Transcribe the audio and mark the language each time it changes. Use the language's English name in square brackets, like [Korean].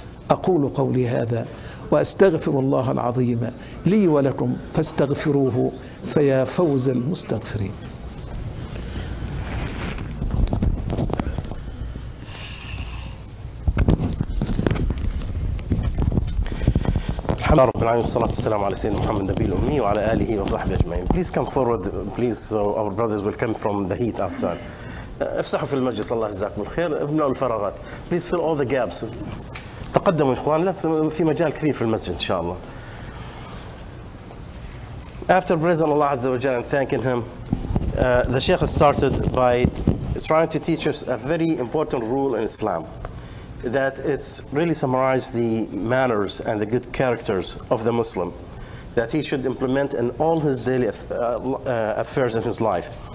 [Arabic] أقول قولي هذا وأستغفر الله العظيم لي ولكم، فاستغفروه فيا فوز المستغفرين. الحمد لله رب العالمين، والصلاة والسلام على سيدنا محمد النبي الأمي وعلى آله وصحبه أجمعين. [English] Please come forward, please, so our brothers will come from the heat outside. [Arabic] افسحوا في المجلس، الله يجزاكم الخير، املأوا الفراغات. [English] Please fill all the gaps. [Arabic] تقدموا إخوان، في مجال كثير في المسجد إن شاء الله. [English] After praising Allah عز وجل and thanking Him, the Sheikh started by trying to teach us a very important rule in Islam that it's really summarized the manners and the good characters of the Muslim that he should implement in all his daily affairs in his life.